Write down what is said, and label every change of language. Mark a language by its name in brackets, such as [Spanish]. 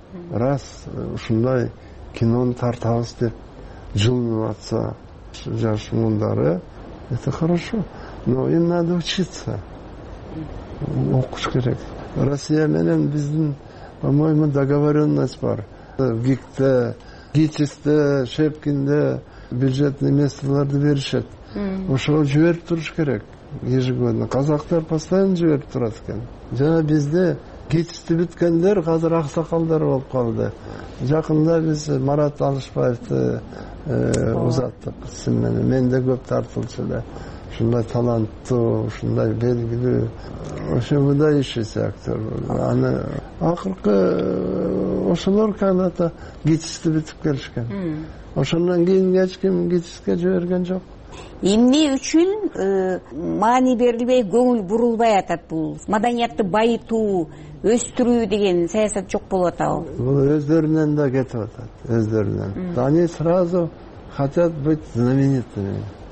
[Kyrgyz] Раз ушундай кинону тартабыз деп жылынып атса жаш муундары, [Russian] это хорошо. Но им надо учиться. [Kyrgyz] Окуш керек. Россия менен биздин, [Russian] по-моему, договоренность [Kyrgyz] бар. В ГИКТе, ГИТИСТе, Шепкинде [Russian] бюджетные [Kyrgyz] местоларды беришет. Ошого жиберип туруш керек [Russian] ежегодно. [Kyrgyz] Казактар [Russian] постоянно [Kyrgyz] жиберип турат экен. Жана бизде кечисти бүткөндөр азыр аксакалдар болуп калды. Жакында биз Марат Алышбаевди узаттык сын менен. Мен да көп тартылчу эле. Ушундай таланттуу, ушундай белгилүү, ошо [Russian] выдающийся [Kyrgyz] актер. Аны акыркы ошолор [Russian] когда-то [Kyrgyz] кечисти бүтүп келишкен. Ошондон кийин эч ким кечиске жиберген жок. Эмне үчүн маани берилбей, көңүл бурулбай атат бул? Маданиятты байытуу, өстүрүү деген саясат жок болуп атабы? Бул өздөрүнөн да кетип атат, өздөрүнөн. [Russian] Они сразу хотят быть знаменитыми.